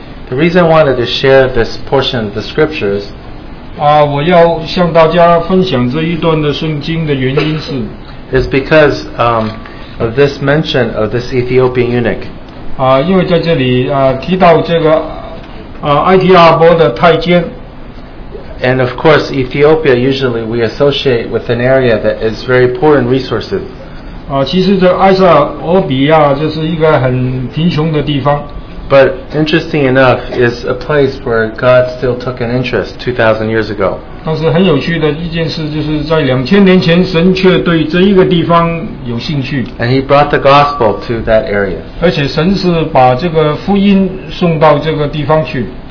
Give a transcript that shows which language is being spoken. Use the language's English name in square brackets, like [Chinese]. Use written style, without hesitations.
[English] The reason I wanted to share this portion of the scriptures [Chinese] 我要向大家分享这一段的圣经的原因是 [English] is because of this mention of this Ethiopian eunuch [Chinese] 因为在这里 提到这个 埃提阿伯的太监 [English] And of course Ethiopia usually we associate with an area that is very poor in resources [Chinese] 其实这埃塞俄比亚就是一个很贫穷的地方 [English] But interesting enough is a place where God still took an interest 2,000 years ago [Chinese] 但是很有趣的一件事就是在 2,000 年前神却对这一个地方有兴趣 [English] And he brought the gospel to that area [Chinese] 而且神是把这个福音送到这个地方去